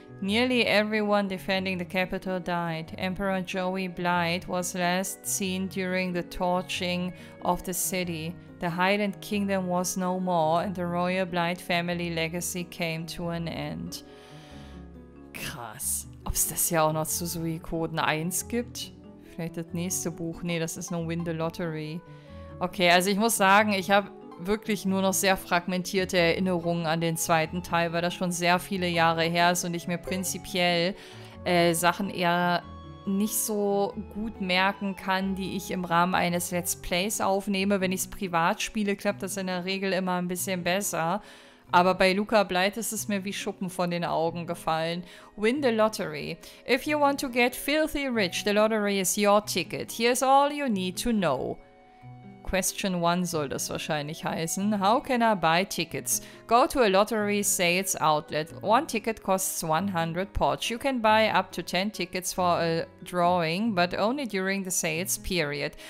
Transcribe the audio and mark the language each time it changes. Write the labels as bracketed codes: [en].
[en] Nearly everyone defending the capital died. Emperor Joey Blight was last seen during the torching of the city. The Highland Kingdom was no more and the Royal Blight family legacy came to an end. [de] Krass. Ob es das ja auch noch zu Suikoden 1 gibt? Vielleicht das nächste Buch. Nee, das ist nur Win the Lottery. Okay, also ich muss sagen, ich habe wirklich nur noch sehr fragmentierte Erinnerungen an den zweiten Teil, weil das schon sehr viele Jahre her ist und ich mir prinzipiell Sachen eher nicht so gut merken kann, die ich im Rahmen eines Let's Plays aufnehme. Wenn ich es privat spiele, klappt das in der Regel immer ein bisschen besser. Aber bei Luca Blight ist es mir wie Schuppen von den Augen gefallen. [en] Win the lottery. If you want to get filthy rich, the lottery is your ticket. Here's all you need to know. Question 1 [de] soll das wahrscheinlich heißen. [en] How can I buy tickets? Go to a lottery sales outlet. One ticket costs 100 pots. You can buy up to 10 tickets for a drawing, but only during the sales period.